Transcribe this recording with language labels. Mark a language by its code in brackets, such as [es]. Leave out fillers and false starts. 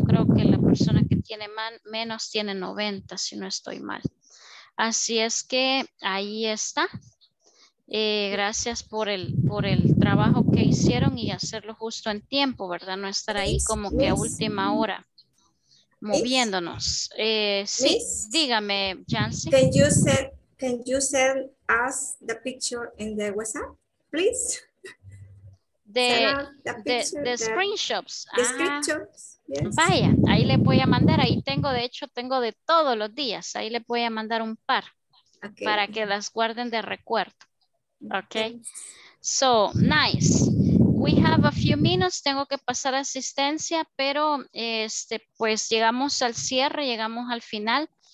[es] Creo que la persona que tiene menos tiene 90, si no estoy mal. Así es que ahí está. Gracias por el trabajo que hicieron y hacerlo justo en tiempo, ¿verdad? No estar ahí como que a última hora moviéndonos. Sí, dígame, Jancy. [en] Can you send us the picture in the WhatsApp, please? The screenshots. The screenshots. Yes. [es] Vaya, ahí les voy a mandar, ahí tengo, de hecho tengo de todos los días, ahí les voy a mandar un par, para que las guarden de recuerdo, ok, so nice, [en] We have a few minutes, [es] tengo que pasar asistencia, pero este, pues llegamos al cierre, llegamos al final.